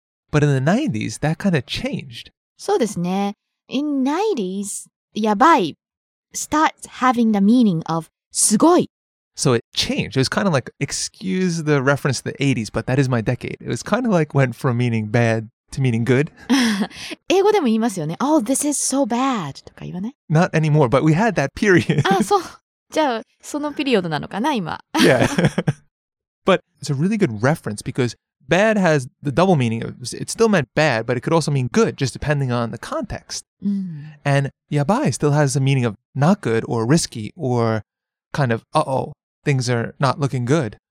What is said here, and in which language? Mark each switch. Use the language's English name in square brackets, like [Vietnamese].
[English] But in the 90s, that kind of changed. So desu ne. In 90s, yabai starts having the meaning of sugoi. So it changed. It was kind of like, excuse the reference to the 80s, but that is my decade. It was kind of like went from meaning bad to meaning good. [Japanese] 英語でも言いますよね。 [English] Oh, this is so bad. [Japanese] とか言わない? [English] Not anymore, but we had that period. [Japanese] あ、そう。じゃあ、そのピリオドなのかな、今。 [English] Yeah. But it's a really good reference because bad has the double meaning. It still meant bad, but it could also mean good, just depending on the context. Mm. And yabai still has the meaning of not good or risky or kind of, uh-oh, things are not looking good.